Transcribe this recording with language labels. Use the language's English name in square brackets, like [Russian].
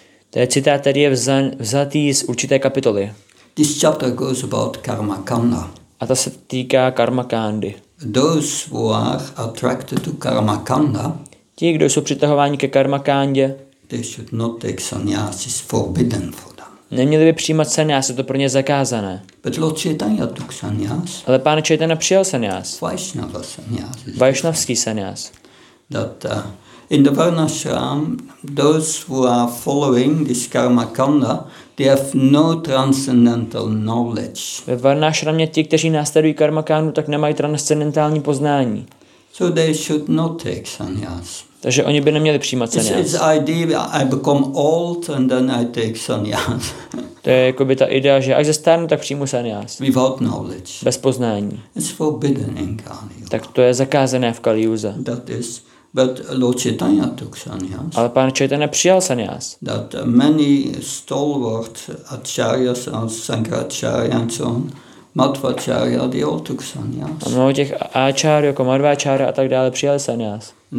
[Czech] To je citát, který je vzatý z určité kapitoly. [English] This chapter goes about karma kanda. [Czech] A ta se týká karma kandy. [English] Those who are attracted to karma kanda. [Czech] Ti, kdo jsou přitahováni ke karma kandě. [English] They should not take sannyas. It's forbidden for them. [Czech] Neměli by přijímat sannyas. Je to pro ně zakázané. [English] But Lord Chaitanya took sannyas. [Czech] Ale pán Chaitanya přijal sannyas. [English] Vaishnava sannyas. [Czech] Vaishnavský sannyas. [English] That in the Varna Shram, those who are following this karma kanda, they have no transcendental knowledge. [Czech] Ve Varna Shramě ti, kteří následují karma kandu, tak nemají transcendentální poznání. [English] So they should not take sannyas. [Czech] Takže oni by neměli přijímat sannyas. [English] This is the idea, I become old and then I take sannyas. [Czech] To je jakoby ta idea, že až zestárnu, tak přijmu sannyas. [English] Without knowledge. [Czech] Bez poznání. [English] It's forbidden in Kali Yuga. [Czech] Tak to je zakázané v Kali Yuze. [English] That is, but Lord Chaitanya took sannyas. [Czech] Ale pán Chaitanya přijal sannyas. [English] That many stalwart acharyas and sankaracharya and so on, Madhvacharya, they all took sannyas. [Czech] A mnoho těch acharyů, jako Madhvacharya a tak dále, přijali sannyas.